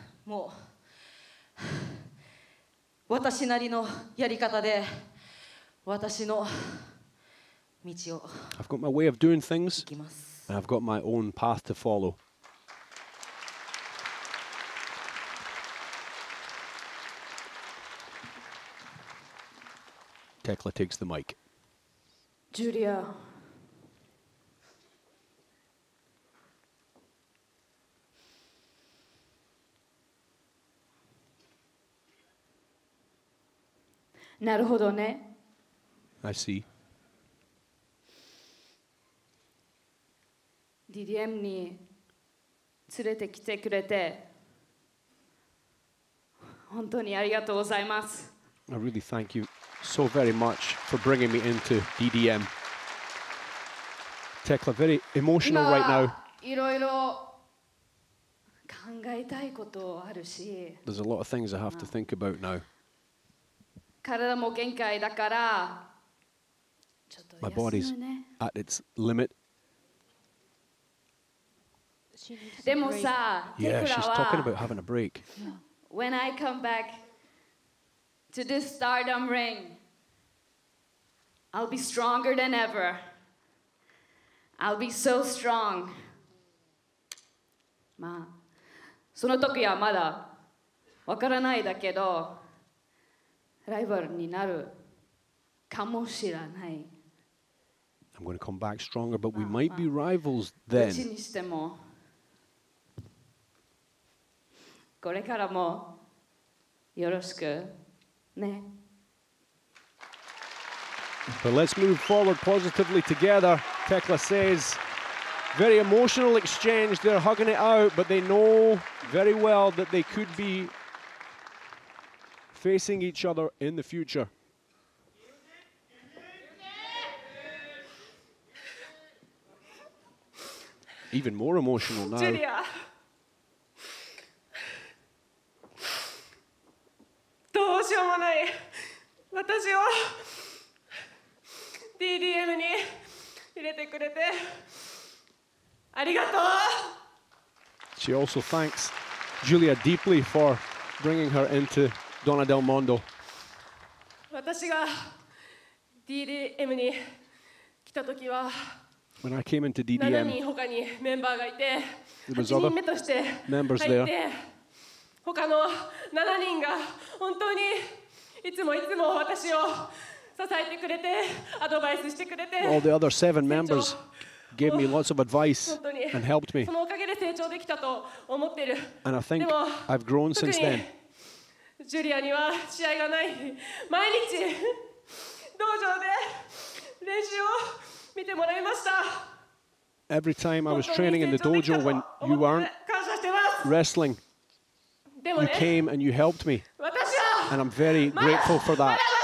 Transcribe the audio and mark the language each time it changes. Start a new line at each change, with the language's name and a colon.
Japanese: もう私なりのやり方で私の道を
English: I've got my way of doing things, and I've got my own path to follow. Tekla takes the mic. Julia.
Japanese: なるほどね。
English: I see.
Japanese: DDM に連れてきてくれて本当にありがとうございます。
English: I really thank you so very much for bringing me into DDM. Tekla, very emotional right now.
Japanese: 今はいろいろ考えたいことあるし。
English: There's a lot of things I have to think about now.
Japanese: 体も限界だから、ちょっと休むね。
English: My body's at its limit.
Japanese: でもさ、
English: Yeah, she's talking about having a break. When I come back to this stardom ring, I'll be stronger than ever. I'll be so strong.
Japanese: まあ、その時はまだわからないだけど、ライバルになるかもしれない。
English: I'm going to come back stronger, but we might be rivals then.
Japanese: どっちにしても、これからもよろしくね。
English: But let's move forward positively together. Tekla says, very emotional exchange. They're hugging it out, but they know very well that they could be facing each other in the future. Even more emotional now.
Japanese: どうしようもない。私をDDM に入れてくれてありがとう。
English: She also thanks Julia deeply for bringing her into Donna Del Mondo.
Japanese: 私が DDM に来た時は、
English: When I came into DDM,
Japanese: 7人他にメンバーがいて、
English: There was other members there.
Japanese: 8人目として入って、他の7人が本当にいつもいつも私を支えてくれて、アドバイスしてくれて、
English: All the other seven members gave me lots of advice and helped me.
Japanese: そのおかげで成長できたと思ってる。
English: And I think I've grown since then.
Japanese: ジュリアには試合がない。毎日道場で練習を見てもらいました。
English: Every time I was training in the dojo when you weren't wrestling, you came and you helped me. And I'm very grateful for that.